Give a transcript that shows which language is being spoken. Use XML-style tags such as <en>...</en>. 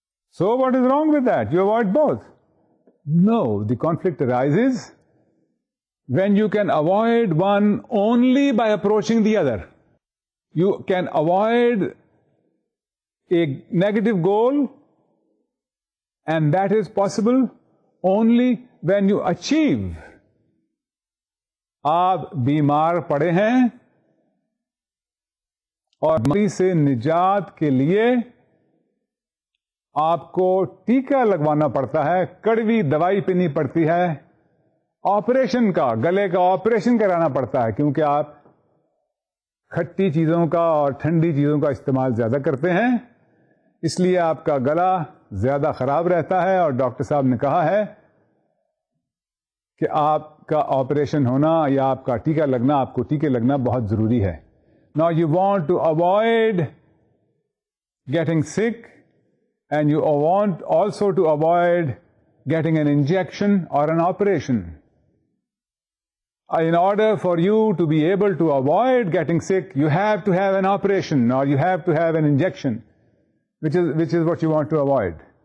<en>So what is wrong with that? You avoid both. No, the conflict arises when you can avoid one only by approaching the other. You can avoid a negative goal, and that is possible only when you achieve.</en> <ur>آپ بیمار پڑے ہیں اور بیماری سے نجات کے لیے آپ کو ٹیکہ لگوانا پڑتا ہے, کڑوی دوائی پینی پڑتی ہے, آپریشن کا گلے کا آپریشن کرانا پڑتا ہے کیونکہ آپ کھٹی چیزوں کا اور ٹھنڈی چیزوں کا استعمال زیادہ کرتے ہیں, اس لیے آپ کا گلا زیادہ خراب رہتا ہے اور ڈاکٹر صاحب نے کہا ہے کہ آپ کا آپریشن ہونا یا آپ کا ٹیکہ لگنا, آپ کو ٹیکے لگنا بہت ضروری ہے.</ur> <en>Now you want to avoid getting sick and you want also to avoid getting an injection or an operation. In order for you to be able to avoid getting sick, you have to have an operation or you have to have an injection, which is what you want to avoid.</en>